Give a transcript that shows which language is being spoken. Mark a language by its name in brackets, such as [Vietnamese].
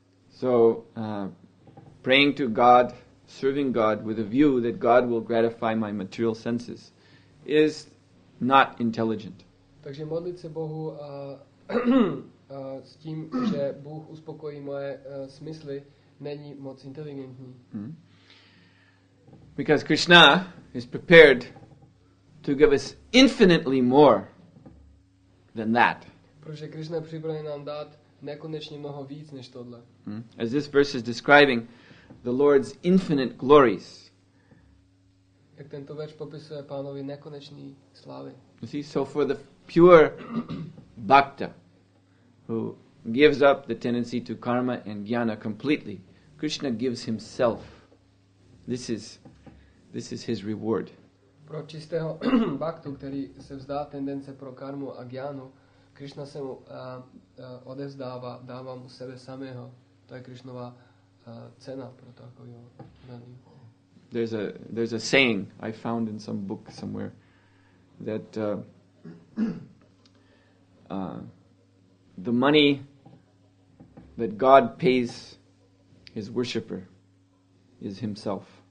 [English] So, praying to God, serving God with a view that God will gratify my material senses is not intelligent. [Czech] Takže modlit se Bohu a s tím, že Bůh uspokojí moje smysly, není moc inteligentní. Mm-hmm. [English] Because Krishna is prepared to give us infinitely more than that. [Czech] Protože Krishna připraven nám dát nekonečně mnoho víc než tohle. [English] As this verse is describing the Lord's infinite glories. [Czech] Jak tento verš popisuje pánovi nekonečný slávy. [English] You see, so for the pure bhakta who gives up the tendency to karma and jnana completely, Krishna gives himself. This is his reward. [Czech] Pro čistého baktu, který se vzdá tendence pro karmu a gyanu, Krišna se mu odevzdává, dává mu sebe samého. To je Krišnova cena pro takového daní. [English] There's a saying I found in some book somewhere that the money that God pays his worshipper is himself.